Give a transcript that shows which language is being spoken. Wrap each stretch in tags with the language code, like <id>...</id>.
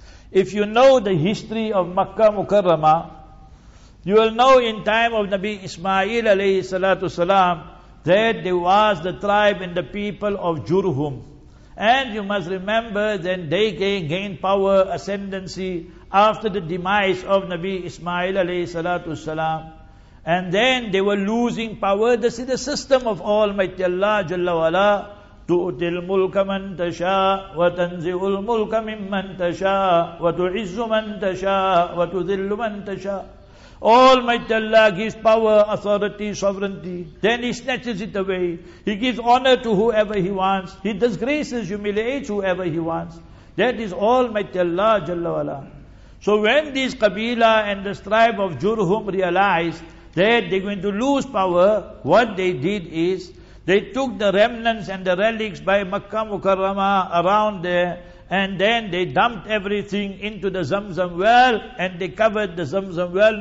<en>If you know the history of Makkah Mukarramah, you will know in time of Nabi Ismail alayhi salatu salam that there was the tribe and the people of Jurhum. And you must remember that they gained power, ascendancy after the demise of Nabi Ismail alayhi salatu salam. And then they were losing power. This is the system of Almighty Allah Jalla Wala.</en> <ar>تؤتي الملك من تشاء وتنزع الملك ممن تشاء وتعز من تشاء وتذل من تشاء.</ar> <en>Almighty Allah gives power, authority, sovereignty. Then He snatches it away. He gives honor to whoever He wants. He disgraces, humiliates whoever He wants. That is Almighty Allah Jalla Wala. So when this Qabila and this tribe of Jurhum realized that they're going to lose power, what they did is they took the remnants and the relics by Makkah Mukarramah around there, and then they dumped everything into the Zamzam well, and they covered the Zamzam well.</en>